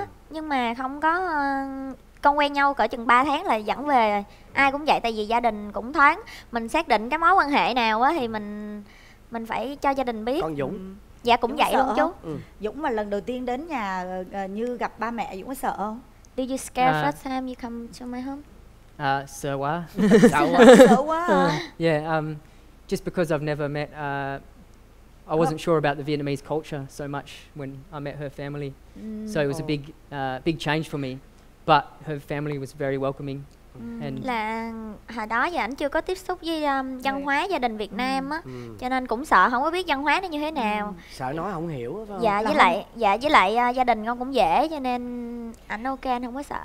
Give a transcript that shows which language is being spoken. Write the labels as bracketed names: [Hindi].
[Vietnamese] Nhưng mà không có con quen nhau cỡ chừng 3 tháng là dẫn về rồi. Ai cũng vậy, tại vì gia đình cũng thoáng, mình xác định cái mối quan hệ nào á thì mình phải cho gia đình biết. Con Dũng. Dạ cũng vậy luôn chú. Dũng mà lần đầu tiên đến nhà Như gặp ba mẹ, Dũng có sợ không? [English] Do you scare first time you come to my home? [Vietnamese] Sợ quá. Sợ quá. [English] Yeah, just because I've never met I wasn't sure about the Vietnamese culture so much when I met her family. So it was a big change for me. But her family was very welcoming. [Vietnamese] And là hồi đó giờ ảnh chưa có tiếp xúc với văn hóa gia đình Việt Nam á, cho nên cũng sợ không có biết văn hóa nó như thế nào. Sợ nói không hiểu phải không? Dạ với lại gia đình con cũng dễ cho nên ảnh ok, anh không có sợ.